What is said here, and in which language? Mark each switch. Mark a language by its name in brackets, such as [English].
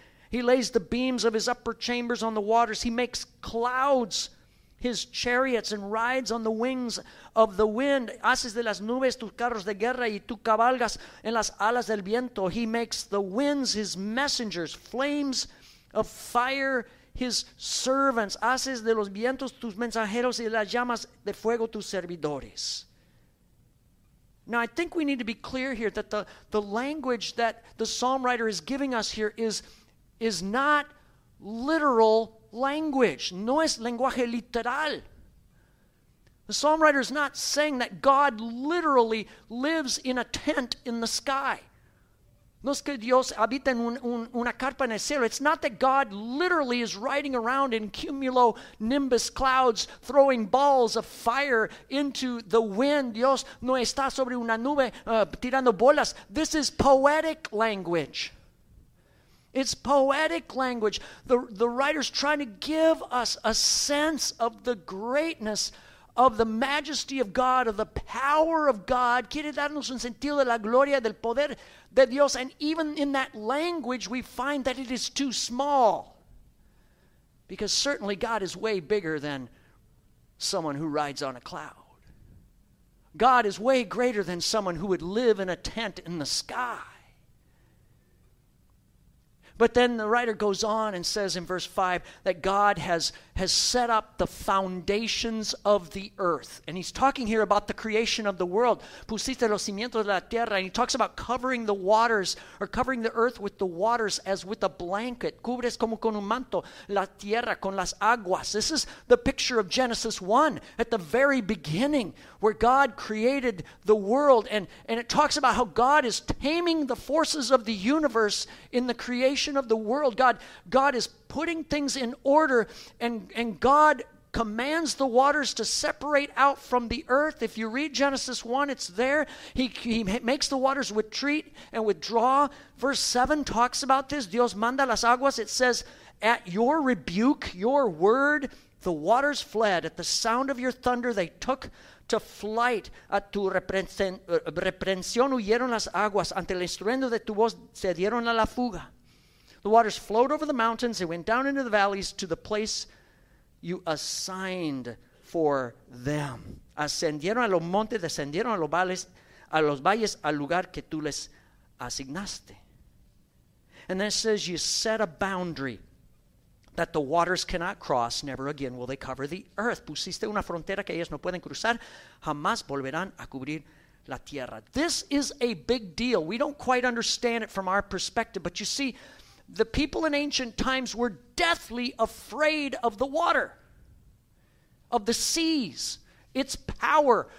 [English] He lays the beams of his upper chambers on the waters. He makes clouds his chariots and rides on the wings of the wind. [Spanish] Haces de las nubes tus carros de guerra y tú cabalgas en las alas del viento. [English] He makes the winds his messengers, flames of fire his servants. [Spanish] Haces de los vientos tus mensajeros y las llamas de fuego tus servidores. [English] Now, I think we need to be clear here that the language that the psalm writer is giving us here is not literal language. [Spanish] No es lenguaje literal. [English] The psalm writer is not saying that God literally lives in a tent in the sky. [Spanish] No es que Dios habita en una carpa en el cielo. [English] It's not that God literally is riding around in cumulonimbus clouds, throwing balls of fire into the wind. [Spanish] Dios no está sobre una nube tirando bolas. [English] This is poetic language. It's poetic language. The writer's trying to give us a sense of the greatness of the majesty of God, of the power of God. [Spanish] Quiere darnos un sentido de la gloria, del poder de Dios. [English] And even in that language, we find that it is too small. Because certainly God is way bigger than someone who rides on a cloud. God is way greater than someone who would live in a tent in the sky. But then the writer goes on and says in verse 5 that God has set up the foundations of the earth. And he's talking here about the creation of the world. [Spanish] Pusiste los cimientos de la tierra. [English] And he talks about covering the waters, or covering the earth with the waters as with a blanket. [Spanish] Cubres como con un manto la tierra con las aguas. [English] This is the picture of Genesis 1 at the very beginning, where God created the world. And it talks about how God is taming the forces of the universe in the creation of the world. God is putting things in order, and God commands the waters to separate out from the earth. If you read Genesis 1, it's there. He makes the waters retreat and withdraw. Verse 7 talks about this. [Spanish] Dios manda las aguas. [English] It says, at your rebuke, your word, the waters fled. At the sound of your thunder, they took to flight. [Spanish] A tu reprensión huyeron las aguas. Ante el estruendo de tu voz, se dieron a la fuga. [English] The waters flowed over the mountains. They went down into the valleys to the place you assigned for them. [Spanish] Ascendieron a los montes, descendieron a los valles, al lugar que tú les asignaste. [English] And then it says, you set a boundary that the waters cannot cross. Never again will they cover the earth. [Spanish] Pusiste una frontera que ellos no pueden cruzar. Jamás volverán a cubrir la tierra. [English] This is a big deal. We don't quite understand it from our perspective, but you see, the people in ancient times were deathly afraid of the water, of the seas, its power.